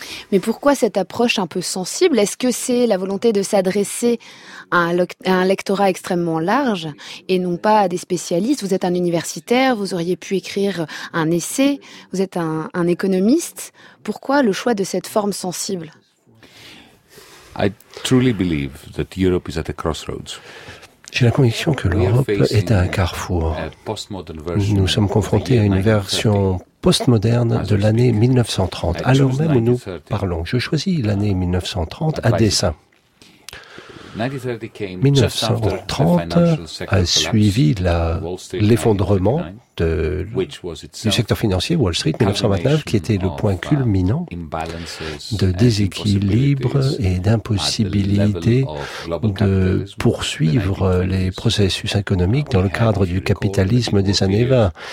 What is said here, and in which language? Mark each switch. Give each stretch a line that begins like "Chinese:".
French: Mais pourquoi cette approche un peu sensible ? Est-ce que c'est la volonté de s'adresser à un lectorat extrêmement large et non pas à des spécialistes ? Vous êtes un universitaire, vous auriez pu écrire un essai, vous êtes un économiste. Pourquoi le choix de cette forme sensible ?
English: I truly believe that Europe is at a crossroads.
French: J'ai la conviction que l'Europe est à un carrefour. Nous sommes confrontés à une version postmoderne de l'année 1930. Alors même où nous parlons, je choisis l'année 1930 à dessein. 1930 a suivi l'effondrement du secteur financier Wall Street 1929, qui était le point culminant de déséquilibre et d'impossibilité de poursuivre les processus économiques dans le cadre du capitalisme des années 20.